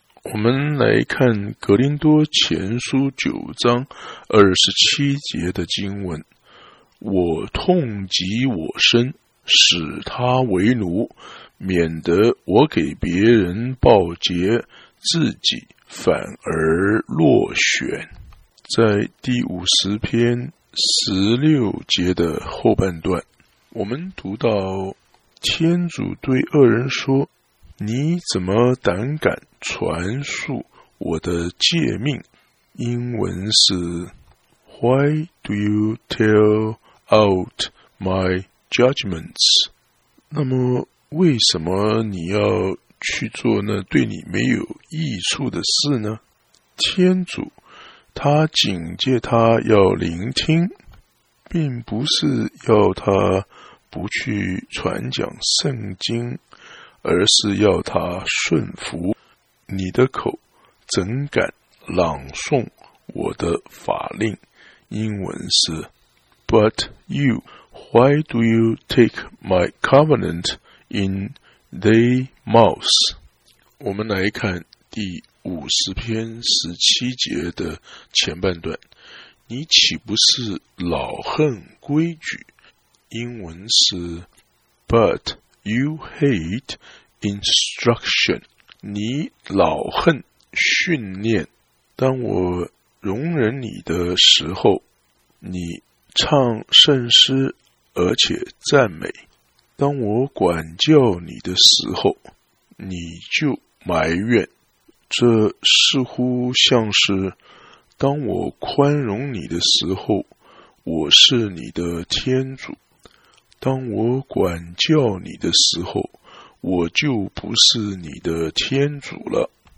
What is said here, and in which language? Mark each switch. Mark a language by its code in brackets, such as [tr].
[zh] 我们来看格林多前书9章27节的经文，我痛极我身，使他为奴，免得我给别人报捷，自己反而落选。在第50篇16节的后半段，我们读到天主对恶人说，你怎么胆敢传述我的诫命？英文是 [en] Why do you tell out my judgments? [zh] 那么为什么你要去做那对你没有益处的事呢？天主他警戒他要聆听，并不是要他不去传讲圣经，而是要他顺服。你的口怎敢朗诵我的法令？英文是 [en] But you, why do you take my covenant in thy mouth? [zh] 我们来看第50篇17节的前半段，你岂不是老恨规矩？英文是 [en] But you hate instruction. [zh] 你老恨训练。当我容忍你的时候，你唱圣诗而且赞美；当我管教你的时候，你就埋怨。这似乎像是当我宽容你的时候，我是你的天主；当我管教你的时候，我就不是你的天主了。